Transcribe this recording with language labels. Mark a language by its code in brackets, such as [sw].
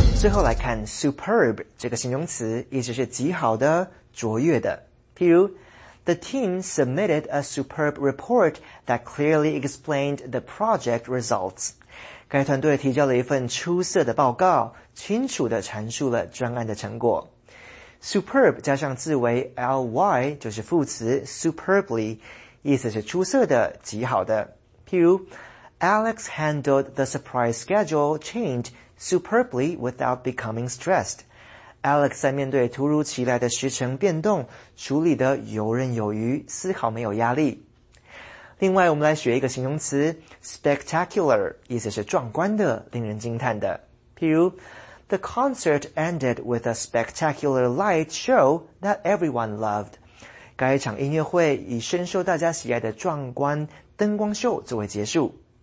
[zh] Superb 这个形容词意思是极好的、卓越的。譬如 [en] ,The team submitted a superb report that clearly explained the project results. [zh] 该团队提交了一份出色的报告，清楚地阐述了专案的成果。 Superb 加上字尾 ly 就是副词 superbly, 意思是出色的、极好的。譬如 [en] ,Alex handled the surprise schedule change,superbly without becoming stressed. [zh] Alex 在面对突如其来的时程变动处理得游刃有余，丝毫没有压力。另外我们来学一个形容词 spectacular, 意思是壮观的、令人惊叹的。譬如 [en] The concert ended with a spectacular light show that everyone loved. [zh] 该场音乐会以深受大家喜爱的壮观灯光秀作为结束。